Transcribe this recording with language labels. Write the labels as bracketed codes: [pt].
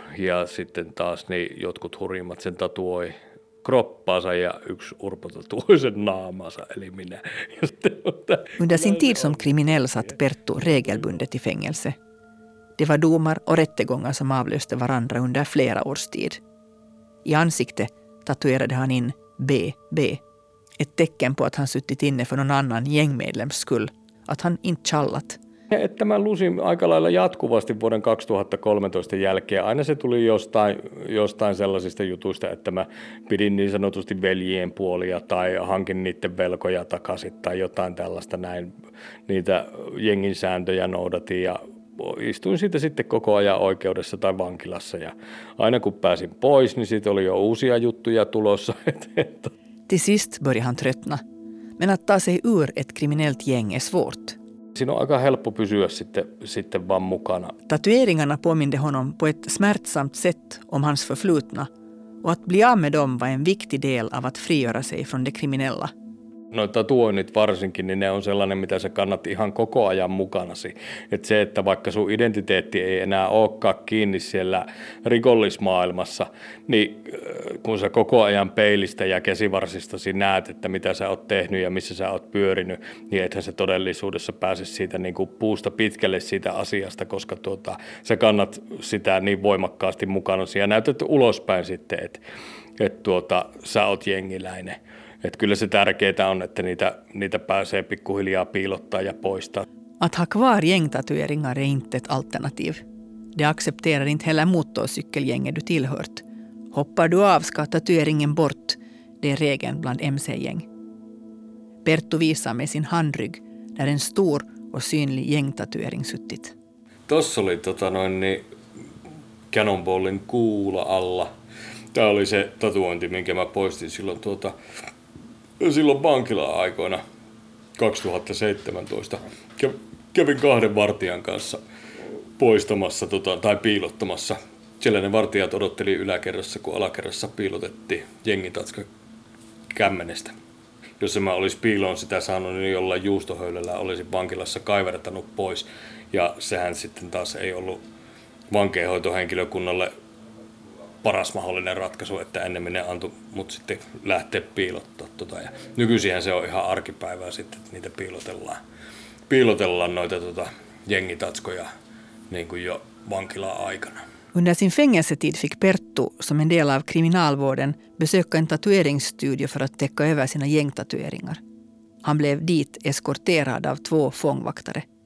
[fi] Ja sitten taas niin jotkut hurimmat sen tatuoi kroppaansa ja yksi urpo tatuoi sen naamansa, eli minä. [sv] Under sin tid som kriminell satt Perttu regelbundet i fängelse. Det var domar och rättegångar som avlöste varandra under flera års tid. I ansikte tatuerade han in BB. Ett tecken på att han suttit inne för någon annan gängmedlems skull. Att han inte challat. [fi] Että mä lusin aika lailla jatkuvasti vuoden 2013 jälkeen. Aina se tuli jostain sellaisista jutuista, että mä pidin niin sanotusti veljien puolia tai hankin niiden velkoja takaisin tai jotain tällaista näin. Niitä jengin sääntöjä noudatin ja istuin siitä sitten koko ajan oikeudessa tai vankilassa ja aina kun pääsin pois, niin siitä oli jo uusia juttuja tulossa. [sv] Till sist började han tröttna. Men att ta sig ur ett kriminellt gäng är svårt. [fi] Siinä on aika helppo pysyä sitten vaan mukana. [sv] Tatueringarna påminde honom på ett smärtsamt sätt om hans förflutna. Och att bli av med dem var en viktig del av att frigöra sig från det kriminella. [fi] Noin tatuoinnit varsinkin, niin ne on sellainen, mitä sä kannat ihan koko ajan mukanasi. Että se, että vaikka sun identiteetti ei enää olekaan kiinni siellä rikollismaailmassa, niin kun sä koko ajan peilistä ja käsivarsistasi näet, että mitä sä oot tehnyt ja missä sä oot pyörinyt, niin ethän sä todellisuudessa pääse siitä niin kuin puusta pitkälle siitä asiasta, koska sä kannat sitä niin voimakkaasti mukanasi ja näytät ulospäin sitten, että sä oot jengiläinen. Et kyllä se tärkeää on, että niitä pääsee pikkuhiljaa piilottaa ja poistaa. [sv] Att ha kvar gängtatueringar är inte ett alternativ. Det accepterar inte heller motorcykelgänget du tillhört. Hoppar du av ska tatueringen bort. Det är regeln bland MC-gäng. Perttu visar med sin handrygg där en stor och synlig gängtatuering suttit. [fi] Tossa oli Cannonballin kuula alla. Tämä oli se tatuointi, minkä mä poistin silloin silloin vankila-aikoina 2017. Kävin kahden vartijan kanssa poistamassa tai piilottamassa. Siellä ne vartijat odotteli yläkerrassa, kun alakerrassa piilotettiin jengitatska kämmenestä. Jos mä olisi piiloon sitä saanut, niin jollain juustohöylällä olisin vankilassa kaivertanut pois. Ja sehän sitten taas ei ollut vankeenhoitohenkilökunnalle paras mahdollinen ratkaisu, että ennemmin ne antoi mut sitten lähteä piilottaa. Ja nykyisinhän se on ihan arkipäivää sitten, että niitä piilotellaan noita jengitatskoja niin kuin jo vankilaan aikana. [sv] Under sin fängelsetid fick Perttu, som en del av kriminalvården, besöka en tatueringsstudio för att täcka över sina gängtatueringar. Han blev dit eskorterad av två fångvaktare.